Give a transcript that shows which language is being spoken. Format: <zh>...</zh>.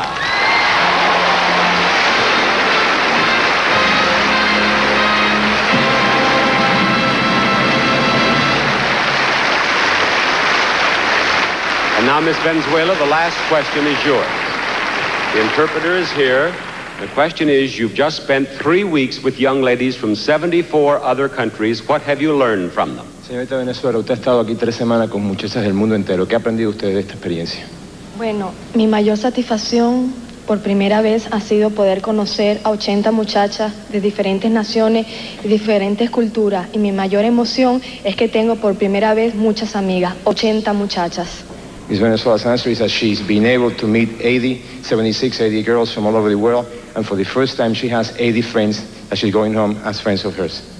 <en>And now, Miss Venezuela, the last question is yours. The interpreter is here. The question is, you've just spent 3 weeks with young ladies from 74 other countries. What have you learned from them?</en> <es>Señorita Venezuela, usted ha estado aquí 3 semanas con muchachas del mundo entero. ¿Qué ha aprendido usted de esta experiencia? Bueno, mi mayor satisfacción por primera vez ha sido poder conocer a 80 muchachas de diferentes naciones y diferentes culturas. Y mi mayor emoción es que tengo por primera vez muchas amigas, 80 muchachas.</es> <en>Miss Venezuela's answer is that she's been able to meet 76, 80 girls from all over the world, and for the first time she has 80 friends that she's going home as friends of hers.</en>